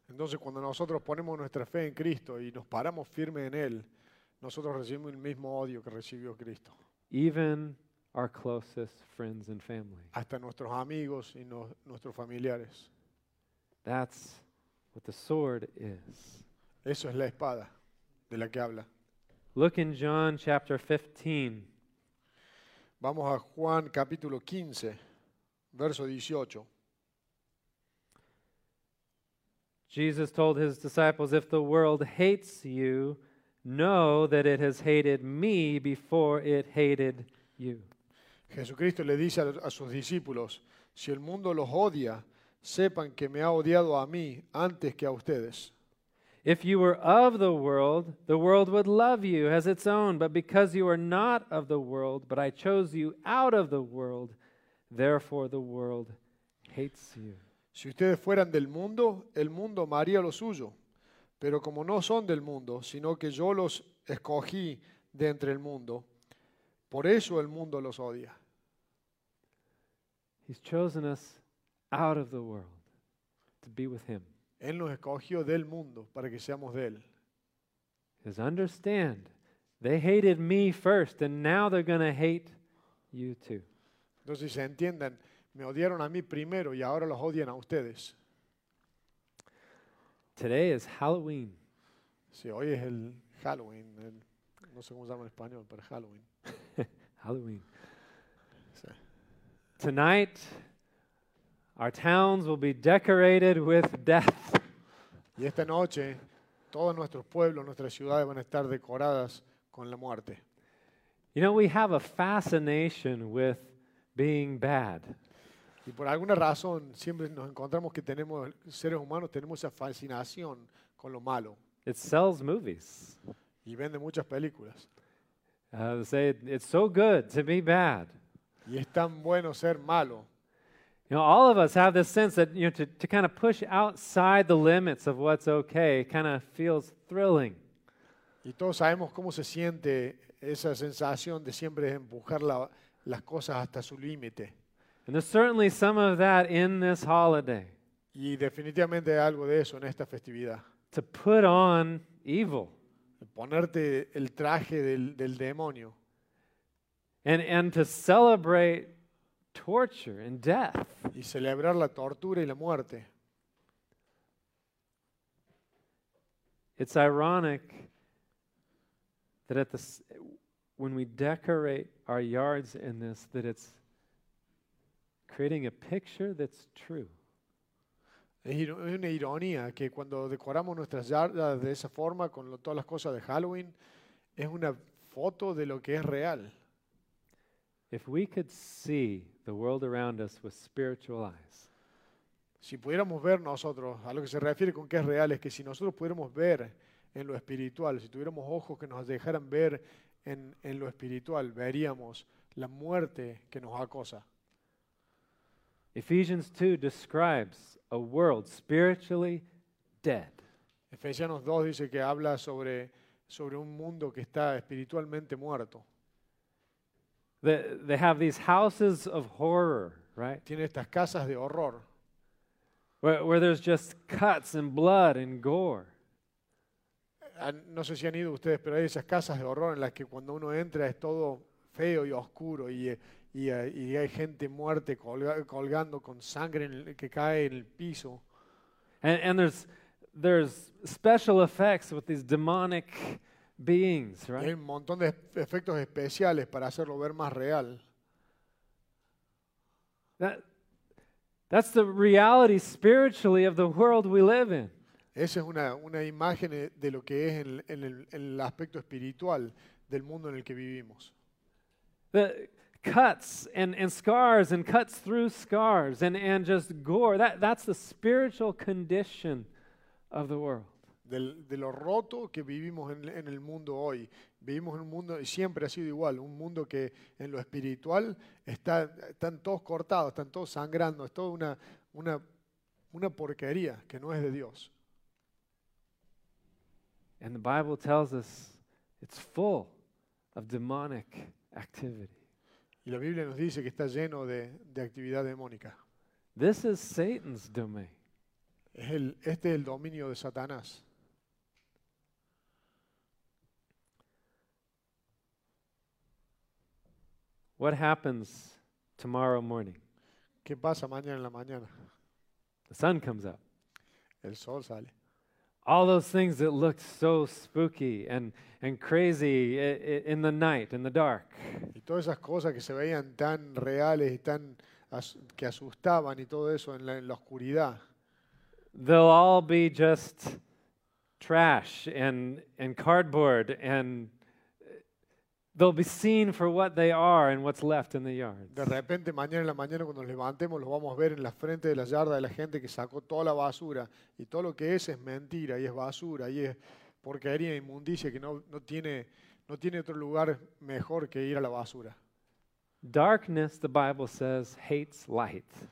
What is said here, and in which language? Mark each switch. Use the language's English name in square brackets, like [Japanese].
[Spanish] Entonces, cuando nosotros ponemos nuestra fe en Cristo y nos paramos firmes en Él, nosotros recibimos el mismo odio que recibió Cristo. [English] Even our closest friends and family. [Spanish] Hasta nuestros amigos y nuestros familiares. [English] That's what the sword is. [Spanish] Eso es la espada de la que habla. [English] Look in John chapter 15. [Spanish] Vamos a Juan capítulo 15, verso 18. [English] Jesus told his disciples, if the world hates you, know that it has hated me before it hated you. [Spanish] Jesucristo le dice a sus discípulos, si el mundo los odia, sepan que me ha odiado a mí antes que a ustedes. [English] If you were of the world would love you as its own, but because you are not of the world, but I chose you out of the world, therefore the world hates you. [Spanish] Si ustedes fueran del mundo, el mundo amaría lo suyo. Pero como no son del mundo, sino que yo los escogí de entre el mundo, por eso el mundo los odia. [English] He's chosen us out of the world to be with him. [Spanish] Él nos escogió del mundo para que seamos de él. [English] Is understand, they hated me first and now they're going to hate you too. [Spanish] Entonces se entiendan, me odiaron a mí primero y ahora los odian a ustedes. [English] Today is Halloween. [Spanish] Sí, hoy es el Halloween. No sé cómo se llama en español, pero Halloween. Halloween. Sí. [English] Tonight, our towns will be decorated with death. [Spanish] Y esta noche, todos nuestros pueblos, nuestras ciudades van a estar decoradas con la muerte. [English] You know, we have a fascination with being bad. [Spanish] Y por alguna razón siempre nos encontramos que tenemos seres humanos tenemos esa fascinación con lo malo. [English] It sells movies. [Spanish] Y vende muchas películas. [English] Say it's so good to be bad. [Spanish] Y es tan bueno ser malo. [English] You know, all of us have this sense that you know to kind of push outside the limits of what's okay kind of feels thrilling. [Spanish] Y todos sabemos cómo se siente esa sensación de siempre empujar las cosas hasta su límite. [English] And there's certainly some of that in this holiday. [Spanish] Y definitivamente hay algo de eso en esta festividad. [English] To put on evil. [Spanish] ponerte el traje del demonio. [English] And to celebrate torture and death. [Spanish] Y celebrar la tortura y la muerte. [English] It's ironic that when we decorate our yards in this, that it's creating a picture that's true. [Spanish] Es una ironía que cuando decoramos nuestras yardas de esa forma con todas las cosas de Halloween, es una foto de lo que es real. [English] If we could see the world around us with spiritual eyes. [Spanish] Si pudiéramos ver nosotros, a lo que se refiere con que es real, es que si nosotros pudiéramos ver en lo espiritual, si tuviéramos ojos que nos dejaran ver en lo espiritual, veríamos la muerte que nos acosa. [English] Ephesians 2 describes a world spiritually dead. [Spanish] Efesios 2 dice que habla sobre un mundo que está espiritualmente muerto. [English] They have these houses of horror, right? [Spanish] Tiene estas casas de horror. [English] Where there's just cuts and blood and gore. [Spanish] No sé si han ido ustedes, pero hay esas casas de horror en las que cuando uno entra es todo feo y oscuro y hay gente muerta colgando con sangre que cae en el piso. [English] And there's special effects with these demonic beings, right? [Spanish] Hay un montón de efectos especiales para hacerlo ver más real. [English] That's the reality spiritually of the world we live in. [Spanish] Esa es una imagen de lo que es en el aspecto espiritual del mundo en el que vivimos. [English] The cuts and scars and cuts through scars and just gore. That's the spiritual condition of the world. [Spanish] De lo roto que vivimos en el mundo hoy. Vivimos en un mundo, y siempre ha sido igual, un mundo que en lo espiritual están todos cortados, están todos sangrando, es toda una porquería que no es de Dios. [English] And the Bible tells us it's full of demonic activity. [Spanish] Y la Biblia nos dice que está lleno de actividad demónica. [English] This is Satan's domain. [Spanish] Este es el dominio de Satanás. [English] What happens tomorrow morning? [Spanish] ¿Qué pasa mañana en la mañana? [English] The sun comes up. [Spanish] El sol sale. [English] All those things that looked so spooky and crazy in the night, in the dark. [Spanish] Y todas esas cosas que se veían tan reales y tan que asustaban y todo eso en la oscuridad. [English] They'll all be just trash and cardboard and they'll be seen for what they are and what's left in the yards. [Spanish] De repente, mañana en la mañana, cuando nos levantemos, los vamos a ver en la frente de la yarda de la gente que sacó toda la basura. Y todo lo que es mentira, y es basura, y es porquería, inmundicia, que no tiene otro lugar mejor que ir a la basura. [English] Darkness, the Bible says, hates light.